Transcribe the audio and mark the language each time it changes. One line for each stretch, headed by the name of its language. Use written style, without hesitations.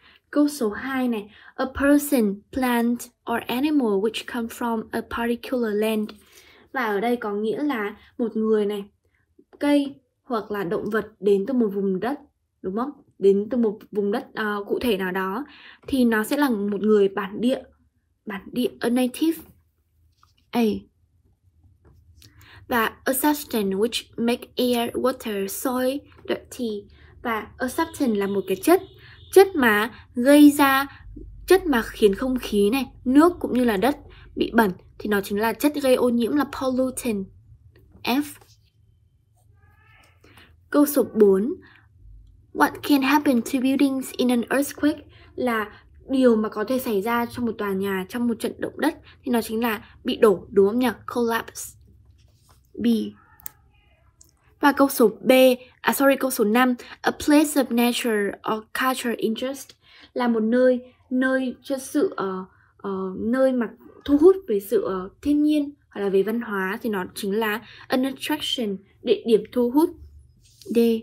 Vietnamese: Câu số 2 này,
English: a person, plant or animal which come from a particular land.
Vietnamese: Và ở đây có nghĩa là một người này, cây hoặc là động vật đến từ một vùng đất, đúng không? Đến từ một vùng đất cụ thể nào đó thì nó sẽ là một người bản địa. Bản địa,
English: a native, A. Và a substance which make air, water, soil, dirty.
Vietnamese: Và
English: a substance
Vietnamese: là một cái chất. Chất mà gây ra, chất mà khiến không khí này, nước cũng như là đất bị bẩn. Thì nó chính là chất gây ô nhiễm là pollutant, F. Câu số 4.
English: What can happen to buildings in an earthquake?
Vietnamese: Là điều mà có thể xảy ra trong một tòa nhà trong một trận động đất thì nó chính là bị đổ, đúng không nhỉ? Collapse. B. Và câu số B, câu số 5,
English: a place of nature or cultural interest,
Vietnamese: là một nơi cho sự nơi mà thu hút về sự thiên nhiên hoặc là về văn hóa thì nó chính là
English: an attraction,
Vietnamese: địa điểm thu hút. D.